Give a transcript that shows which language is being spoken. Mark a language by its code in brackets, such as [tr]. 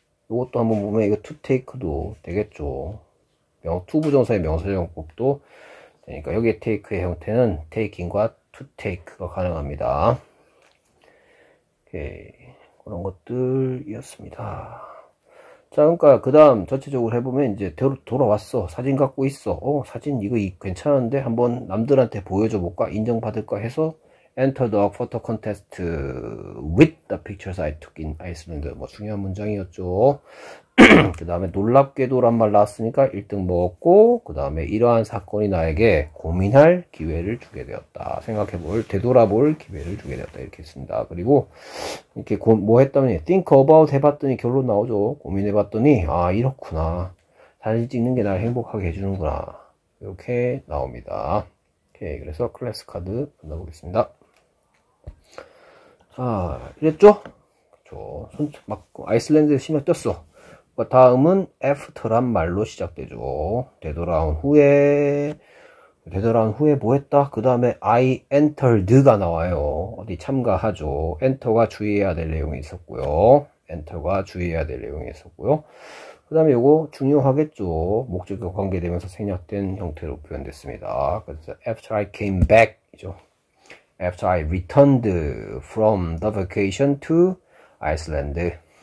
[ko] 이것도 한번 보면 이거 투 테이크도 되겠죠. 투 부정사의 명사형법도 되니까 여기에 테이크의 형태는 테이킹과 투 테이크가 가능합니다. 오케이. 그런 것들이었습니다. 자, 그러니까 그다음 전체적으로 해보면 이제 돌아왔어. 사진 갖고 있어. 사진 이거 괜찮은데 한번 남들한테 보여줘 볼까? 인정받을까 해서 [en] Enter the photo contest with the pictures I took in Iceland. [ko] 뭐 중요한 문장이었죠. 그다음에 놀랍게도란 말 나왔으니까 1등 먹었고, 그다음에 이러한 사건이 나에게 고민할 기회를 주게 되었다. 되돌아볼 기회를 주게 되었다. 이렇게 했습니다. 그리고 이렇게 뭐 했더니 [en] think about [ko] 해봤더니 결론 나오죠. 고민해봤더니 아 이렇구나. 사진 찍는 게 나를 행복하게 해주는구나. 이렇게 나옵니다. 오케이, 그래서 클래스 카드 만나보겠습니다. 자, 이랬죠? 그쵸. 아이슬란드에 신경 떴어. 다음은 after란 말로 시작되죠. 되돌아온 후에 뭐 했다? 그 다음에 [en] I entered [ko] 가 나와요. 어디 참가하죠. enter가 주의해야 될 내용이 있었고요. enter가 주의해야 될 내용이 있었고요. 그 다음에 요거 중요하겠죠. 목적격 관계되면서 생략된 형태로 표현됐습니다. 그래서 [en] after I came back이죠. After I returned from the vacation to Iceland.